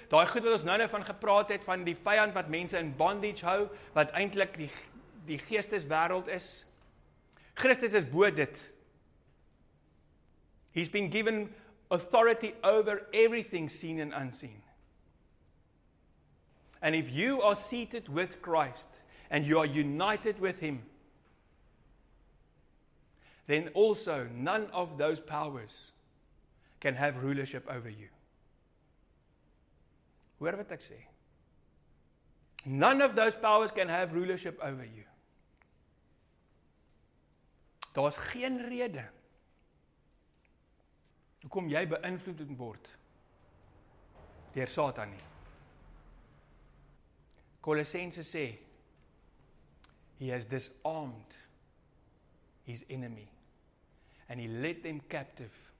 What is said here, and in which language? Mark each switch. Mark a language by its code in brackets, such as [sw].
[af] Daai goed wat ons nou van gepraat het, van die vyand wat mense in bondage hou, wat eintlik die geesteswêreld is. Christus is bo dit. [en] He's been given authority over everything seen and unseen. And if you are seated with Christ and you are united with him, then also none of those powers can have rulership over you. [af] Hoor wat ek sê. [en] None of those powers can have rulership over you. [af] Daar's geen rede hoekom jy beïnvloed word deur Satan nie. Kolossense sê, [en] he has disarmed his enemy and he led them captive.